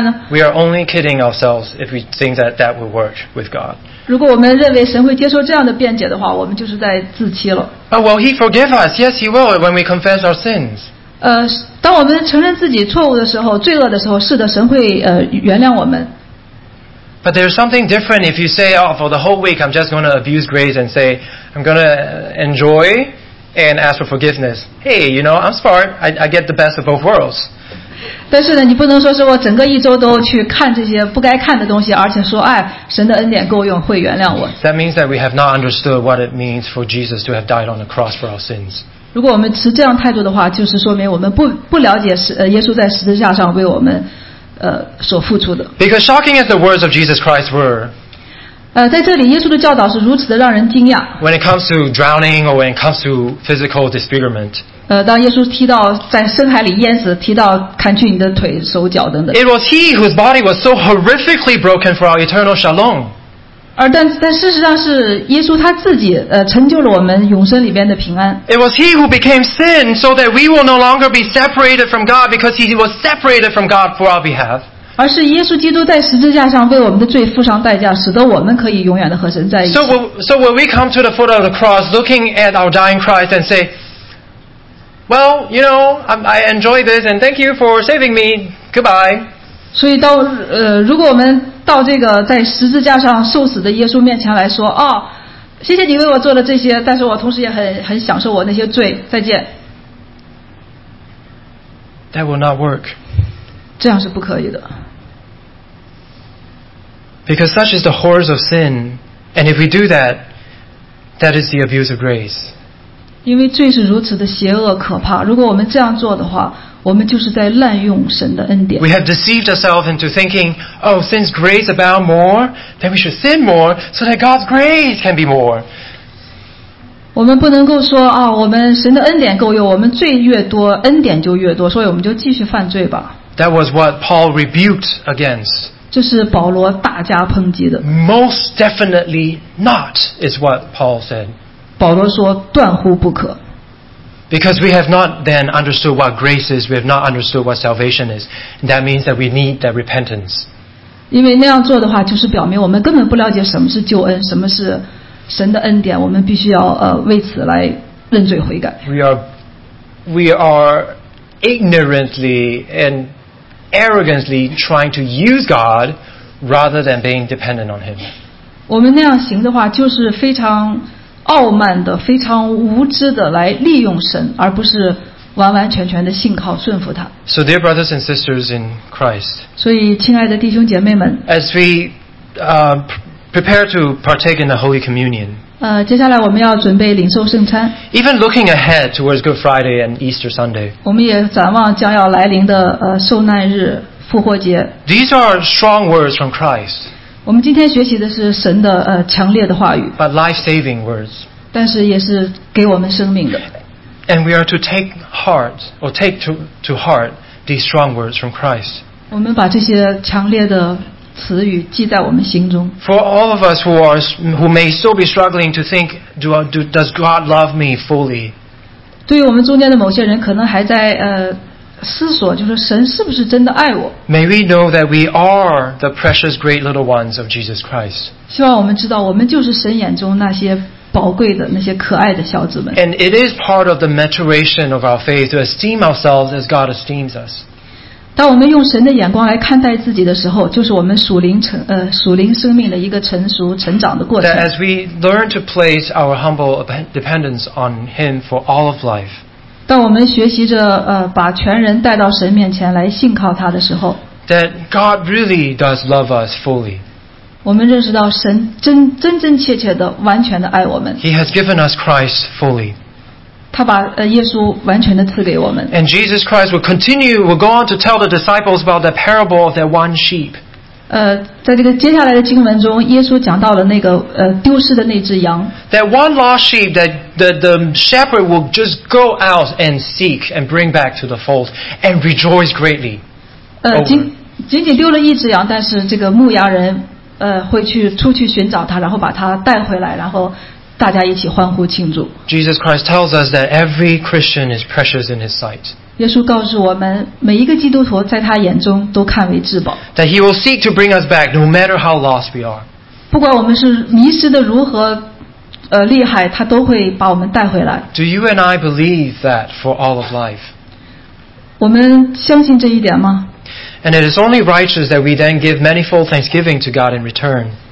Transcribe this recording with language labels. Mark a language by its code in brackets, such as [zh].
[en] We are only kidding ourselves if we think that will work with God. If we think God will accept such an explanation, we are lying. Oh, will He forgive us? Yes, He will when we confess our sins. [zh] 当我们承认自己错误的时候罪恶的时候是的神会原谅我们 [en] But there's something different if you say oh, for the whole week I'm just going to abuse grace and say I'm going to enjoy and ask for forgiveness Hey, you know, I'm smart I get the best of both worlds [zh] 但是呢你不能说是我整个一周都去看这些不该看的东西而且说哎，神的恩典够用会原谅我 [en] That means that we have not understood what it means for Jesus to have died on the cross for our sins [zh] 如果我们持这样态度的话，就是说明我们不了解耶稣在十字架上为我们所付出的。 [en] Because shocking as the words of Jesus Christ were， [zh] 在这里耶稣的教导是如此的让人惊讶。 [en] When it comes to drowning or when it comes to physical disfigurement， [zh] 当耶稣提到在深海里淹死，提到砍去你的腿、手脚等等。 [en] It was He whose body was so horrifically broken for our eternal shalom。 [zh] 但事实上是耶稣他自己成就了我们永生里边的平安。 [en] It was He who became sin so that we will no longer be separated from God because He was separated from God for our behalf. [zh] 而是耶稣基督在十字架上为我们的罪付上代价，使得我们可以永远的和神在一起。 [en] So when we come to the foot of the cross, looking at our dying Christ and say, "Well, you know, I enjoy this and thank you for saving me. Goodbye." [zh] 所以到如果我们到这个在十字架上受死的耶稣面前来说哦，谢谢你为我做了这些但是我同时也 很享受我那些罪再见 [en] That will not work [zh] 这样是不可以的 [en] Because such is the horrors of sin And if we do that That is the abuse of grace [zh] 因为罪是如此的邪恶可怕如果我们这样做的话我们就是在滥用神的恩典。 [en] We have deceived ourselves into thinking, oh, since grace abounds more, then we should sin more so that God's grace can be more. [zh] 我们不能够说啊，我们神的恩典够用，我们罪越多，恩典就越多，所以我们就继续犯罪吧。 [en] That was what Paul rebuked against. [zh] 这是保罗大加抨击的。 [en] Most definitely not is what Paul said. [zh] 保罗说断乎不可。 [en] Because we have not then understood what grace is, we have not understood what salvation is. That means that we need that repentance. [zh] 因为那样做的话，就是表明我们根本不了解什么是救恩，什么是神的恩典。我们必须要为此来认罪悔改。 [en] We are ignorantly and arrogantly trying to use God rather than being dependent on Him. [zh] 我们那样行的话，就是非常傲慢的、非常无知的来利用神，而不是完完全全的信靠顺服他。 [en] So, dear brothers and sisters in Christ, [zh] 所以亲爱的弟兄姐妹们 [en] ，as we prepare to partake in the Holy Communion, [zh] 接下来我们要准备领受圣餐。 [en] Even looking ahead towards Good Friday and Easter Sunday, [zh] 我们也展望将要来临的受难日、复活节。 [en] These are strong words from Christ. [zh] 我们今天学习的是神的强烈的话语 [en] ，but life-saving words. [zh] 但是也是给我们生命的。 [en] And we are to take heart, or take to heart these strong words from Christ. [zh] 我们把这些强烈的词语记在我们心中。 [en] For all of us who may still be struggling to think, does God love me fully? [zh] 对于我们中间的某些人，可能还在思索，就是神是不是真的爱我。 [en] May we know that we are the precious great little ones of Jesus Christ. [zh] 希望我们知道，我们就是神眼中那些。宝贵的那些可爱的小子们。 [en] And it is part of the maturation of our faith to esteem ourselves as God esteems us. [zh] 当我们用神的眼光来看待自己的时候，就是我们属灵生命的一个成熟成长的过程。 [en] That as we learn to place our humble dependence on Him for all of life. [zh] 当我们学习着把全人带到神面前来信靠他的时候。 [en] That God really does love us fully. [zh] 我们认识到神真真切切的完全的爱我们。 [en] He has given us Christ fully. [zh] 他把耶稣完全的赐给我们。 [en] And Jesus Christ will go on to tell the disciples about the parable of that one sheep. [zh] 在这个接下来的经文中，耶稣讲到了那个丢失的那只羊。 [en] That one lost sheep that the shepherd will just go out and seek and bring back to the fold and rejoice greatly. [zh] 仅仅丢了一只羊，但是这个牧羊人。会去出去寻找他，然后把他带回来，然后大家一起欢呼庆祝。 [en] Jesus Christ tells us that every Christian is precious in His sight. [zh] 耶稣告诉我们，每一个基督徒在他眼中都看为至宝。 [en] That He will seek to bring us back, no matter how lost we are. [zh] 不管我们是迷失的如何厉害，他都会把我们带回来。 [en] Do you and I believe that for all of life? [zh] 我们相信这一点吗？ [en] And it is only righteous that we then give manifold thanksgiving to God in return.